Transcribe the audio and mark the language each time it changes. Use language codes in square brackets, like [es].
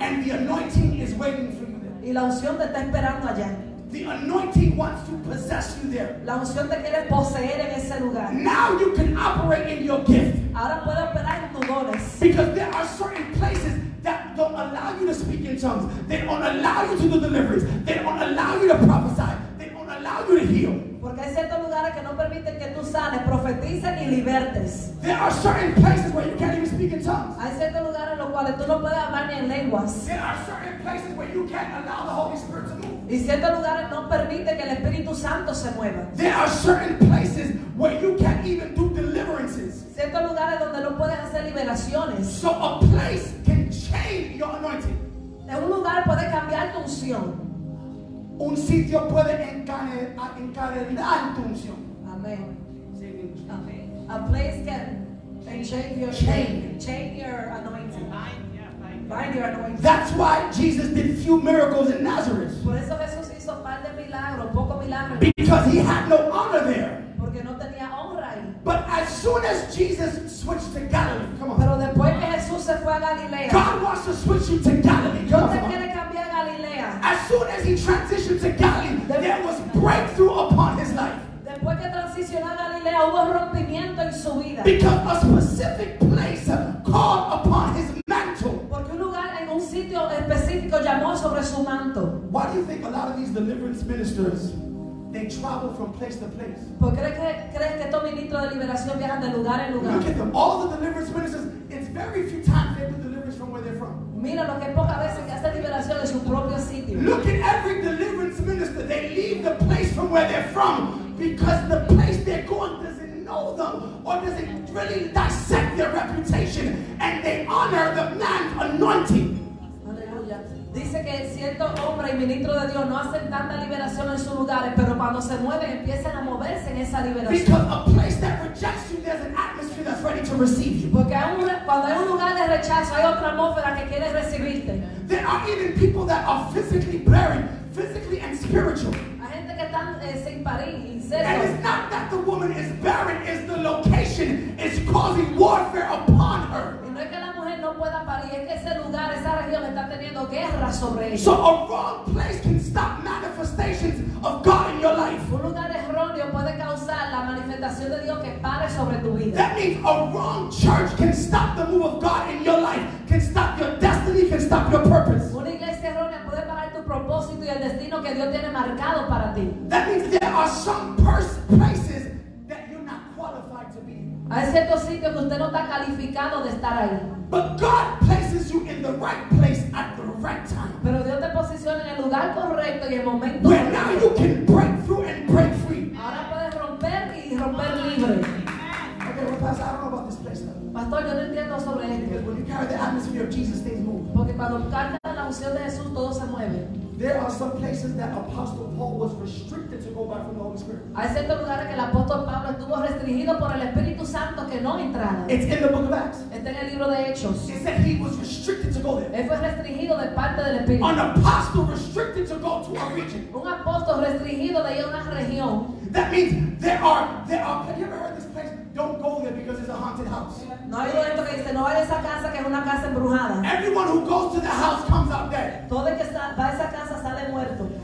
[en] And the anointing is waiting for you there. [es] Y la unción te está esperando allá. [en] The anointing wants to possess you there. [es] La unción te quiere poseer en ese lugar. [en] Now you can operate in your gift. [es] Ahora puedes operar en tus dones. [en] Because there are certain places that don't allow you to speak in tongues. They don't allow you to do deliveries. They don't allow you to prophesy. They don't allow you to heal. [es] Porque hay ciertos lugares que no permiten que tú sanes, profetices y libertes. [en] There are certain places where you can't even speak in tongues. [es] Hay ciertos lugares en los cuales tú no puedes hablar ni en lenguas. [en] There are certain places where you can't allow the Holy Spirit to move. [es] Y ciertos lugares no permiten que el Espíritu Santo se mueva. [en] There are certain places where you can't even do deliverances. [es] Ciertos lugares donde no puedes hacer liberaciones. [en] So a place can change your anointing. [es] De un lugar puede cambiar tu unción. Un sitio puede encadenar tu unción. [en] Amén. A place can chain your anointing. That's why Jesus did a few miracles in Nazareth. [es] Por eso Jesús hizo par de milagros, poco milagro. [en] Because he had no honor there. [es] Porque no tenía honra ahí. [en] But as soon as Jesus switched to Galilee, come on. [es] Pero después que Jesús se fue a Galilea. [en] God wants to switch you to Galilee. Come on. As soon as he transitioned to Galilee, there was breakthrough upon his life. [es] Después que transicionó a Galilea, hubo rompimiento en su vida. [en] Because a specific place called upon his mantle. [es] Porque un lugar en un sitio específico llamó sobre su manto. [en] Why do you think a lot of these deliverance ministers, they travel from place to place? [es] ¿Por qué crees que estos ministros de liberación viajan de lugar en lugar? [en] Look at them. All the deliverance ministers, it's very few times they do deliverance from where they're from. [es] Mira lo que pocas veces que hace liberación en su propio sitio. [en] Look at every deliverance minister. They leave the place from where they're from because the place they're going doesn't know them or doesn't really dissect their reputation, and they honor the man's anointing. [es] Aleluya. Dice que cierto hombre y ministro de Dios no hacen tanta liberación en sus lugares, pero cuando se mueven empiezan a moverse en esa liberación. [en] Because a place that rejects you, there's an atmosphere that's ready to receive you. [es] Porque cuando hay un lugar de rechazo, hay otra atmósfera que quiere recibirte. [en] There are even people that are physically barren, physically and spiritual. [es] Hay gente que están sin parir y sin. [en] And it's not that the woman is barren, it's the location is causing warfare upon her. [es] No es que la mujer no pueda parir, es que ese lugar, esa región está teniendo guerra sobre ella. [en] So a wrong place can stop manifestations of God in your life. [es] Un lugar erróneo puede causar la manifestación de Dios que pare sobre tu vida. [en] That means a wrong church can stop the move of God in your life, can stop your destiny, can stop your purpose. [es] Una iglesia errónea puede parar tu propósito y el destino que Dios tiene marcado para ti. [en] That means there are some places that you're not qualified to be. [es] Hay ciertos sitios que usted no está calificado de estar ahí. [en] But God places you in the right place at the right time. [es] Pero Dios te posiciona en el lugar correcto y el momento. [en] Where now you can break through and break free. [es] Ahora puedes romper y romper libre. [en] Okay, well, Pastor, I don't know about this place though. [es] Pastor, yo no entiendo sobre esto. [en] Because when you carry the atmosphere of Jesus, things move. [es] Porque cuando cargas la unción de Jesús, todo se mueve. [en] There are some places that Apostle Paul was restricted to go by from the Holy Spirit. [es] Hay ciertos lugares que el apóstol Pablo estuvo restringido por el Espíritu Santo que no entrara. [en] It's in the book of Acts. [es] Está en el libro de Hechos. [en] It said he was restricted to go there. [es] Él fue restringido de parte del Espíritu. [en] An apostle restricted to go to a region. [es] Un apóstol restringido de ir a una región. [en] That means there are. Have you ever heard this place? Don't go there because it's a haunted house. [es] No hay esto que dice, no vaya a esa casa que es una casa embrujada. [en] Everyone who goes to the house comes out dead. [es] Todo el que va a esa casa sale muerto.